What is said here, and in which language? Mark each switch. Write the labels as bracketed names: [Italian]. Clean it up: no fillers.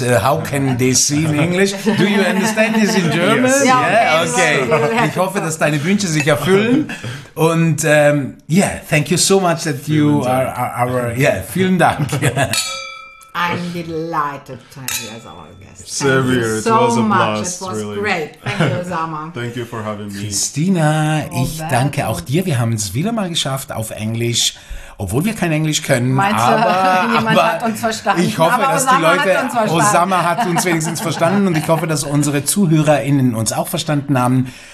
[English] How can they see in English? Do you understand this in German? Yes. Yeah, okay. [German] Ich hoffe, dass deine Wünsche sich erfüllen. [English] Und yeah, thank you so much that you are our, yeah, [German] vielen Dank. [English] I'm delighted to have you as our guest. Thank you so much. It was a blast. It was really great. Thank you, Zama. Thank you for having me. [German] Christina, ich danke auch dir. Wir haben es wieder mal geschafft auf Englisch. Obwohl wir kein Englisch können. Meinst du, jemand hat uns verstanden? Ich hoffe, dass die Leute, Osama hat uns wenigstens verstanden. Und ich hoffe, dass unsere ZuhörerInnen uns auch verstanden haben.